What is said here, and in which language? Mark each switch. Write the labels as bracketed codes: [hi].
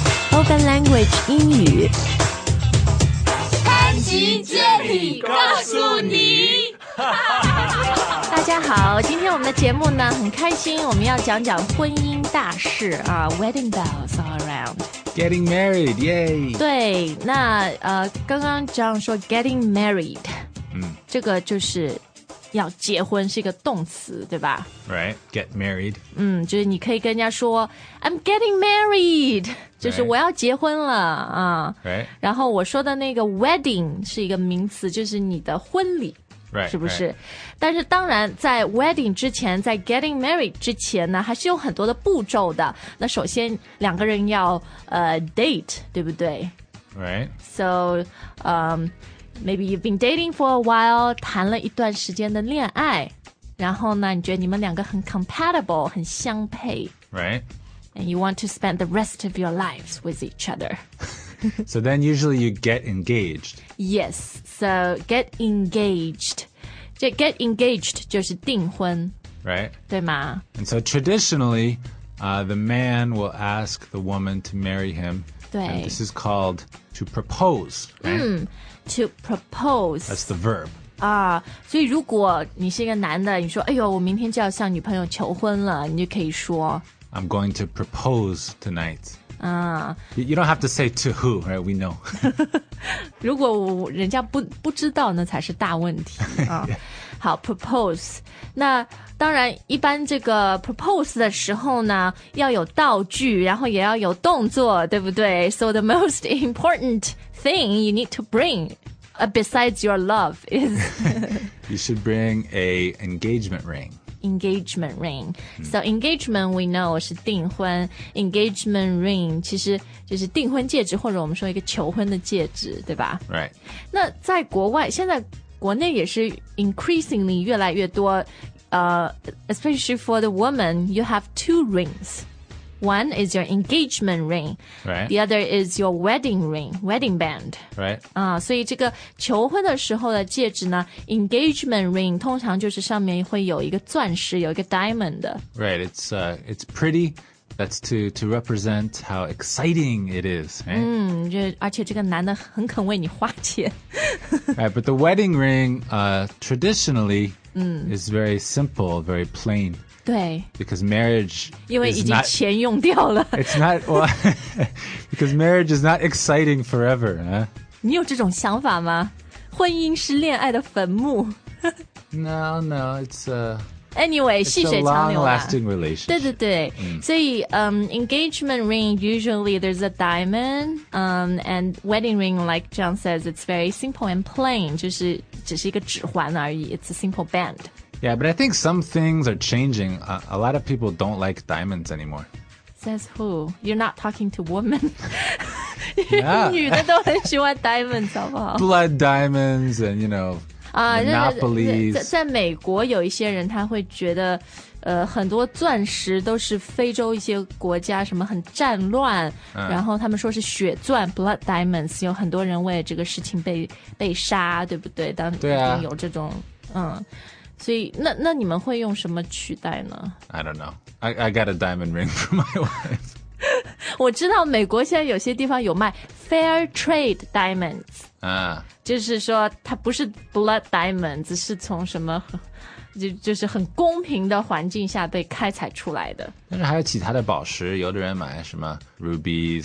[en] Spoken Language 英语。 [zh] 潘吉接力告诉你。大家好，今天我们的节目呢很开心，我们要讲讲婚姻大事啊 ， [en] Wedding bells all around。 Getting married, yay! [zh] 对，那刚刚 John 说 [en] getting married，嗯， [zh] 这个就是要结婚，是一个动词，对吧 [en] ？Right, get married. [zh] 嗯，就是你可以跟人家说 [en] I'm getting married， [zh] 就是我要结婚了啊。 [en] Right. [zh] 然后我说的那个 wedding 是一个名词，就是你的婚礼。 [en] Right, [zh] 是不是、 [en] right. [zh] 但是当然在 wedding 之前在 getting married 之前呢还是有很多的步骤的那首先两个人要date 对不对 [en] right so maybe you've been dating for a while [zh] 谈了一段时间的恋爱然后呢你觉得你们两个很 compatible 很相配 [en] right and you want to spend the rest of your lives with each other so then usually you get engaged yesSo, get engaged. [zh] Get engaged 就是订婚 [en] Right. [zh] 对吗 [en] And so traditionally,the man will ask the woman to marry him. 对 And this is called to propose. Right? Mm, to propose. That's the verb. [zh] 啊、所以如果你是一个男的你说哎呦我明天就要向女朋友求婚了你就可以说 [en] I'm going to propose tonight. You don't have to say to who, right? We know. [zh] 如果人家不知道那才是大问题、好 propose. 那当然一般这个 propose 的时候呢要有道具然后也要有动作对不对 [en] So the most important thing you need to bring、besides your love is... you should bring an engagement ring. Engagement ring. [zh] So engagement, we know, 是订婚 Engagement ring, 其实就是订婚戒指或者我们说一个求婚的戒指对吧 [en] Right. [zh] 那在国外现在国内也是 [en] increasingly [zh] 越来越多、 [en] especially for the woman, you have two rings. One is your engagement ring. Right. The other is your wedding ring, wedding band. Right. [zh] 所以这个求婚的时候的戒指呢 engagement ring 通常就是上面会有一个钻石有一个 diamond. [en] Right. It's pretty. That's to represent how exciting it is. Right? [zh] 而且这个男的很肯为你花钱。 [en] right. But the wedding ring, traditionally, is very simple, very plain. [zh] 对 [en] because marriage [zh] 因为已经钱用掉了 [en] It's not well, Because marriage is not exciting forever、 [zh] 你有这种想法吗婚姻是恋爱的坟墓 [en] No, it's a Anyway, it's [zh] 细水长流 [en] It's a long-lasting relationship 对对对、所以、engagement ring usually there's a diamond、and wedding ring like John says it's very simple and plain [zh] 就是只是一个指环而已 [en] It's a simple band Yeah, but I think some things are changing. A lot of people don't like diamonds anymore. Says who? You're not talking to women. Yeah. [zh] 女的都很喜欢 diamonds, 好不好 [en] Blood diamonds and, you know,、monopolies. [zh] 在美国有一些人他会觉得、很多钻石都是非洲一些国家什么很战乱、然后他们说是血钻 blood diamonds. 有很多人为这个事情 被杀对不对当对、啊、有这种所以那你们会用什么取代呢 [en] I don't know. I got a diamond ring for my wife. [zh] 我知道美国现在有些地方有卖 fair trade diamonds.、就是说它不是 blood diamonds, 是从什么 就是很公平的环境下被开采出来的。但是还有其他的宝石有的人买什么 rubies,